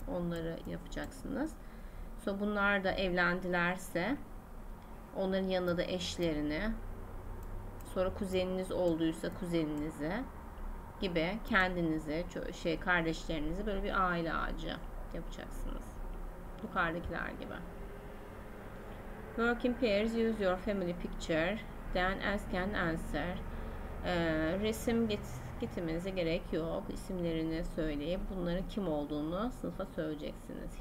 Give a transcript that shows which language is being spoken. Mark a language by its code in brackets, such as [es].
[tr] Onları yapacaksınız. Sonra bunlar da evlendilerse onların yanına da eşlerini, sonra kuzeniniz olduysa kuzeninizi gibi kendinizi, şey kardeşlerinizi böyle bir aile ağacı yapacaksınız. Yukarıdakiler gibi. [en] Work in pairs, use your family picture, then ask and answer. [tr] Resim gitmenize gerek yok. İsimlerini söyleyip bunların kim olduğunu sınıfa söyleyeceksiniz.